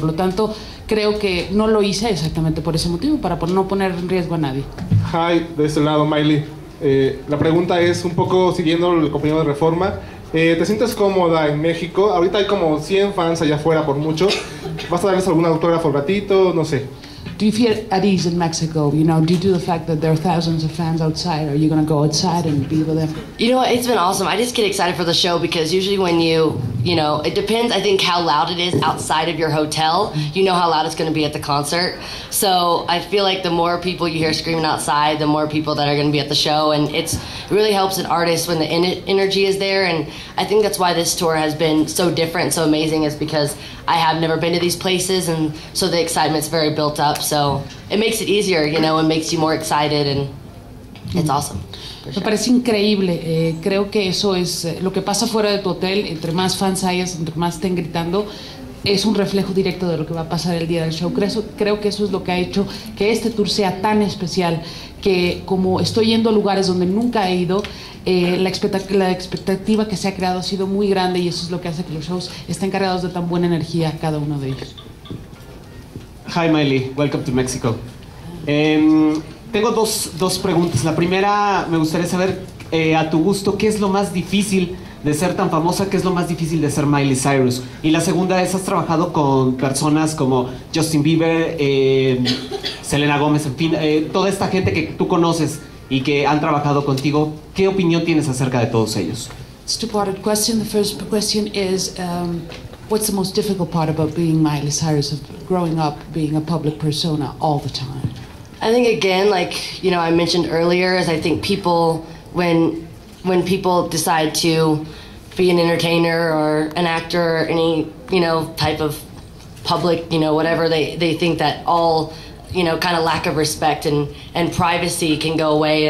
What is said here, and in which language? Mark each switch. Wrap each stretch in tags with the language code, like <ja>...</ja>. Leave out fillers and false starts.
<es>Por lo tanto, creo que no lo hice exactamente por ese motivo, para no poner en riesgo a nadie. Hi, de este lado, Miley. La pregunta es un poco siguiendo el compañero de Reforma. ¿Te sientes cómoda en México? Ahorita hay como 100 fans allá afuera por mucho. ¿Vas a darles algún autógrafo gratuito? No sé.</es> <en>Do you feel at ease in Mexico? You know, due to the fact that there are thousands of fans outside, are you going to go outside and be with them? You know, it's been awesome. I just get excited for the show because usually when you know, it depends, I think, how loud it is outside of your hotel. You know how loud it's going to be at the concert. So I feel like the more people you hear screaming outside, the more people that are going to be at the show. And it's, it really helps an artist when the energy is there. And I think that's why this tour has been so different, so amazing, is because I have never been to these places. And so the excitement's very built up. So it makes it easier, you know, and makes you more excited. And it's awesome.</en> <es>Me parece increíble, creo que eso es lo que pasa fuera de tu hotel, entre más fans hayas, entre más estén gritando, es un reflejo directo de lo que va a pasar el día del show. Creo que eso es lo que ha hecho que este tour sea tan especial, que como estoy yendo a lugares donde nunca he ido, la expectativa que se ha creado ha sido muy grande y eso es lo que hace que los shows estén cargados de tan buena energía cada uno de ellos.</es> <en>Hi Miley, welcome to Mexico.</en> <es>Tengo dos preguntas. La primera, me gustaría saber, a tu gusto, ¿qué es lo más difícil de ser tan famosa? ¿Qué es lo más difícil de ser Miley Cyrus? Y la segunda es, ¿has trabajado con personas como Justin Bieber, Selena Gomez, en fin, toda esta gente que tú conoces y que han trabajado contigo? ¿Qué opinión tienes acerca de todos ellos?</es> <en>It's a two-parted question. The first question is, what's the most difficult part about being Miley Cyrus, of growing up being a public persona all the time? I think, again, like, you know, I mentioned earlier, is I think people, when people decide to be an entertainer or an actor or any, you know, type of public, you know, whatever, they think that all, you know, kind of lack of respect and privacy can go away.</en>